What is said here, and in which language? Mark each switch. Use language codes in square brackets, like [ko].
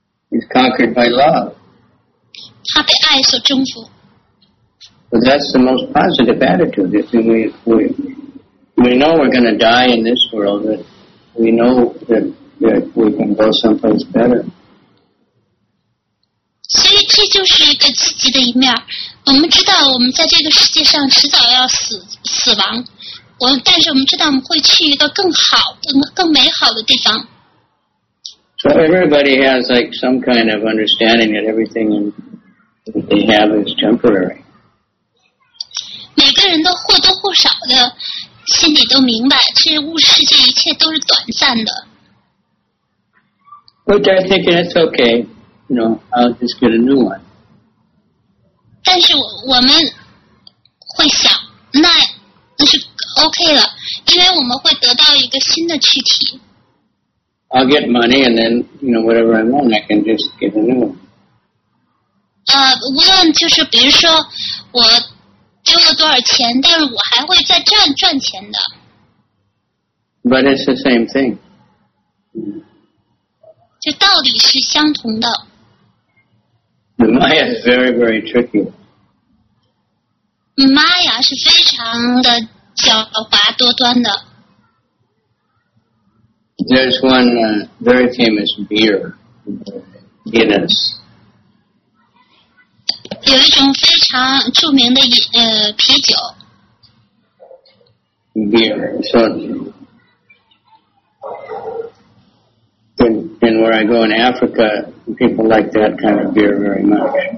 [en] He's conquered by love. [zh] 他被爱所征服。 [en] But that's the most positive attitude. If we know we're going to die in this world, but we know that we can go someplace better. [zh] 所以这就是一个积极的一面。我们知道我们在这个世界上迟早要死亡，但是我们知道我们会去一个更好、更美好的地方。 [en] So everybody has like some kind of understanding that everything that they have is temporary. [zh] 每个人都或多或少的心里都明白，这物质世界一切都是短暂的。 [en] But I think it's okay. You know, I'll just get a new one. [zh] 但是我们会想，那是 OK 了，因为我们会得到一个新的躯体。 [en] I'll get money and then, you know, whatever I want, I can just get a new one. [zh] 无论就是比如说我丢了多少钱，但是我还会再赚钱的。 [en] But it's the same thing. [zh] 就道理是相同的。 [en] The Maya is very, very tricky. [zh] Maya 是非常的狡猾多端的。 [en] There's one very famous beer, Guinness. [zh] 有一种非常著名的啤酒。 [en] Beer, so in where I go in Africa, people like that kind of beer very much.